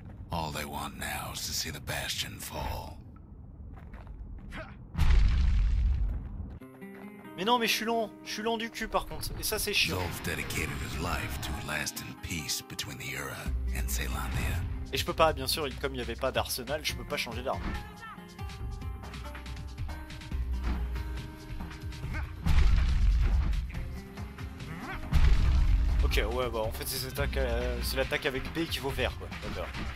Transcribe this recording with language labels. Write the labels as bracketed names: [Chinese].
[English] All they want now is to see the Bastion fall. [French] Mais non, mais je suis lent du cul par contre, et ça c'est chiant. [English] Zolf dedicated his life to a lasting peace between the Ura and Ceylandia. [French] Et je peux pas, bien sûr, comme il n'y avait pas d'arsenal, je peux pas changer d'arme. Ok, ouais, bah en fait c'est l'attaque avec B qui vaut vert, quoi. D'accord.